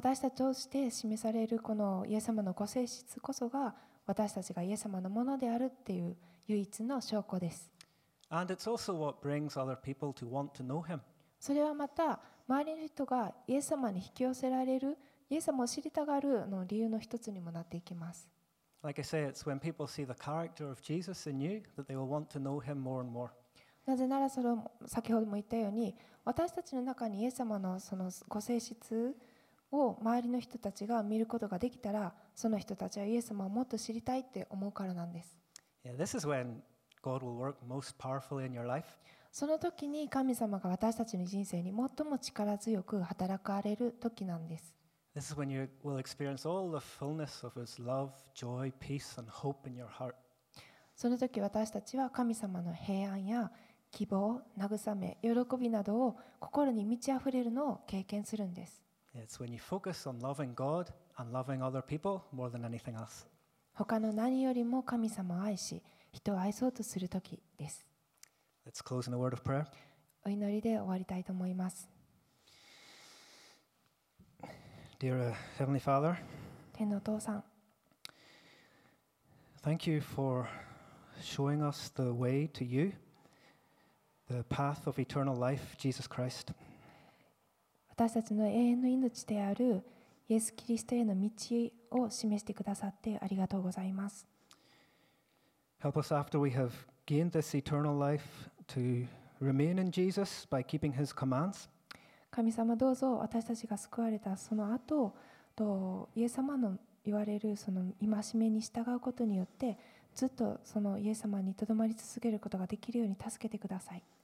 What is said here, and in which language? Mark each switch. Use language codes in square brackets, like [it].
[ja] として示されるこのイエス様のご性質こそが私たちがイエス様のものであるっていう唯一の証拠です。 [en] And it's also what brings other people to want to know him. [ja] それはまた周りの人がイエス様に引き寄せられるイエス様を知りたがるの理由の一つにもなっていきます。 [en] Like I say, it's when people see the character of Jesus in you that they will want to know him more and more. [ja] なぜならその先ほども言ったように私たちの中にイエス様のそのご性質を周りの人たちが見ることができたらその人たちはイエス様をもっと知りたいって思うからなんです。 [en] Yeah, this is when God will work most powerfully in your life. [ja] その時に神様が私たちの人生に最も力強く働かれる時なんです。 [en] This is when you will experience all the fullness of His love, joy, peace, and hope in your heart. [ja] その時私たちは神様の平安や希望、慰め、喜びなどを心に満ち溢れるのを経験するんです。 [en] It's when you focus on loving God and loving other people more than anything else. [ja] 他の何よりも神様を愛し、人を愛そうとする時です。 [en] Let's close in a word of prayer. [ja] お祈りで終わりたいと思います。 [en] Dear Heavenly Father, [ja] 天のお父さん、 [en] Thank you for showing us the way to you, the path of eternal life, Jesus Christ. [ja] 私たちの永遠の命であるイエス・キリストへの道を示してくださってありがとうございます。 [en] Help us after we have gained this eternal life to remain in Jesus by keeping His commands. [ja] 神様どうぞ私たちが救われたその後とイエス様の言われるその戒めに従うことによってずっとそのイエス様にとどまり続けることができるように助けてください。